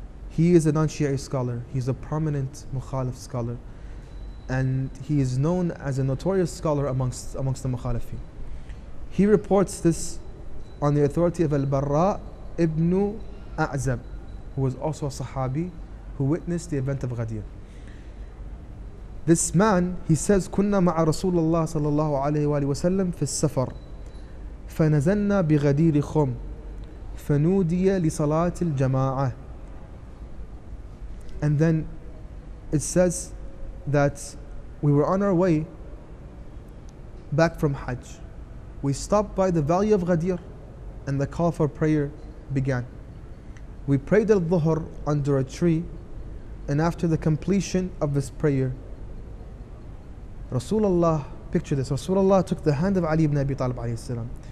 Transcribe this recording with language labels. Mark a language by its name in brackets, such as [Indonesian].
[English] He is a non-Shi'i scholar. He's a prominent mukhalif scholar. And he is known as a notorious scholar amongst the mukhalifin. He reports this on the authority of Al-Barra ibn A'zab, who was also a Sahabi, who witnessed the event of Ghadir. This man, he says, [Arabic] كنا مع رسول الله صلى الله عليه وآله وسلم في السفر فنزلنا بغدير خم فنودي لصلاة الجماعة. [English] And then it says that we were on our way back from Hajj. We stopped by the valley of Ghadir, and the call for prayer began. We prayed al-Dhuhr under a tree, and after the completion of this prayer, Rasulullah, picture this, Rasulullah took the hand of Ali ibn Abi Talib alayhi salam.